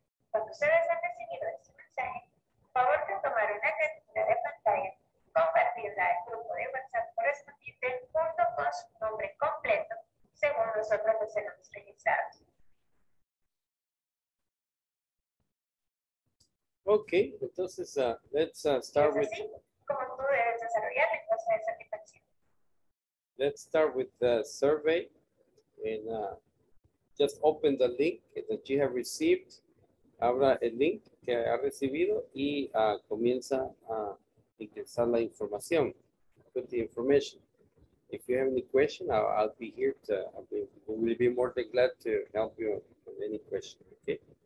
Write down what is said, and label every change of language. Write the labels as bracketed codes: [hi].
[es] Cuando ustedes han recibido este mensaje, por favor de tomar una captura de pantalla, compartirla al grupo de WhatsApp correspondiente junto con su nombre completo, según nosotros los hemos registrado. Ok, entonces, [en] let's start with... [es] ¿Cómo tú debes desarrollar la cosa de satisfacción? [en] Let's start with the survey and just open the link that you have received. [es] Abra el link que ha recibido y comienza a ingresar la información. [en] Put the information. If you have any question, I'll be here to, we will be more than glad to help you with any question, okay?